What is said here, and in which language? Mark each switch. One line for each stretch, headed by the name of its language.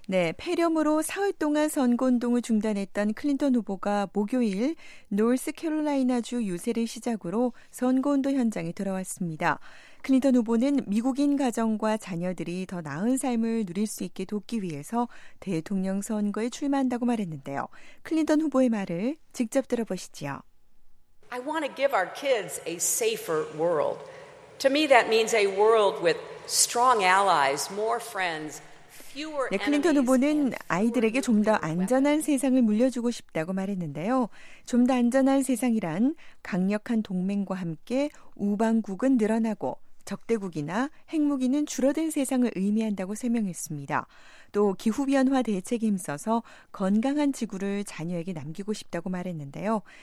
Korean: 네, 폐렴으로 사흘 동안 선거운동을 중단했던 클린턴 후보가 목요일 노스캐롤라이나주 유세를 시작으로 선거운동 현장에 돌아왔습니다. 클린턴 후보는 미국인 가정과 자녀들이 더 나은 삶을 누릴 수 있게 돕기 위해서 대통령 선거에 출마한다고 말했는데요. 클린턴 후보의 말을 직접 들어보시지요.
English: I want to give our kids a safer world. To me, that means a world with strong allies, more friends, fewer enemies.
Korean: 네, 클린턴 후보는 아이들에게 좀 더 안전한 세상을 물려주고 싶다고 말했는데요. 좀 더 안전한 세상이란 강력한 동맹과 함께 우방국은 늘어나고 적대국이나 핵무기는 줄어든 세상을 의미한다고 설명했습니다. 또 기후변화 대책에 힘써서 건강한 지구를 자녀에게 남기고 싶다고 말했는데요.